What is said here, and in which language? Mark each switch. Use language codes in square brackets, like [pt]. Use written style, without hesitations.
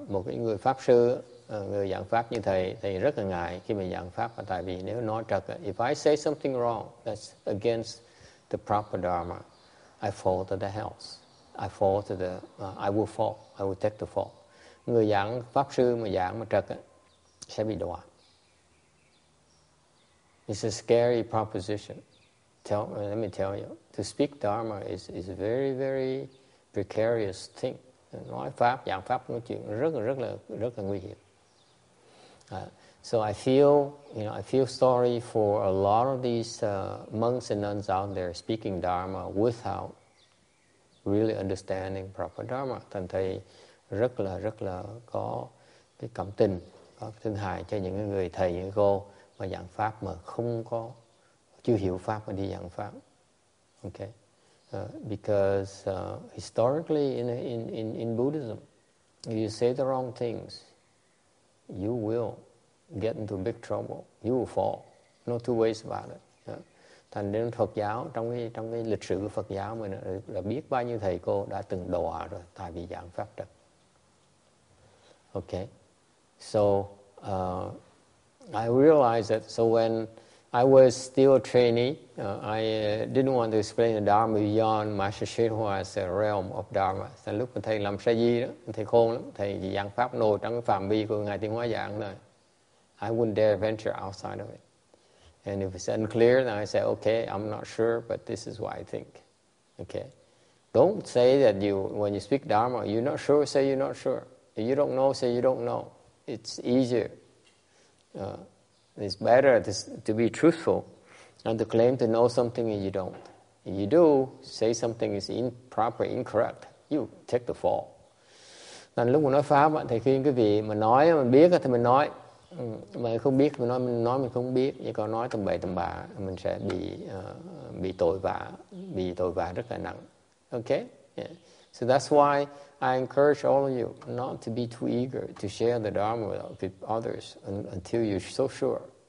[vi] Một người pháp sư, người giảng pháp như thầy, thầy rất là ngại khi mình giảng pháp, tại vì nếu nói trật, [en] if I say something wrong, that's against the proper Dharma, I fall to the hells. I fall to the, I will fall, I will take the fall. [vi] Người giảng pháp sư mà giảng mà trật sẽ bị đọa. [en] It's a scary proposition. Let me tell you, to speak Dharma is a very, very precarious thing. [vi] Nói pháp, giảng pháp nói chuyện rất là nguy hiểm. [en] So I feel, you know, I feel sorry for a lot of these monks and nuns out there speaking Dharma without really understanding proper Dharma. [vi] Thành thầy rất là có cái cảm tình, có thương hại cho những người thầy, những cô mà giảng pháp mà không có, chưa hiểu pháp mà đi giảng pháp. [en] Okay, because historically in Buddhism, if you say the wrong things, you will get into big trouble. You will fall. No two ways about it. [vi] Thành nên Phật giáo trong cái lịch sử của Phật giáo mình là biết bao nhiêu thầy cô đã từng đọa rồi tại vì giảng pháp trật. [en] Okay, so I realized that. So when I was still a trainee, I didn't want to explain the Dharma beyond Master Shihua's realm of Dharma. [vi] Thành lúc mà thầy làm sa di đó, thầy khôn lắm, thầy giảng pháp nội trong cái phạm vi của ngài Tiên Hóa giảng rồi. [en] I wouldn't dare venture outside of it. And if it's unclear, then I say, okay, I'm not sure, but this is what I think. Okay. Don't say that you, when you speak Dharma, you're not sure, say you're not sure. If you don't know, say you don't know. It's easier. It's better to be truthful than to claim to know something and you don't. If you do, say something is improper, incorrect, you take the fall. [vi] Nên lúc mà nói pháp, thì khi quý vị mà nói, mình biết thì mình nói. Mà không biết mình nói mình không biết, nhưng còn nói tầm bậy tầm bạ mình sẽ bị tội vạ rất là nặng. [en] Okay, yeah. So that's why I encourage all of you not to be too eager to share the Dharma with others until you're so sure.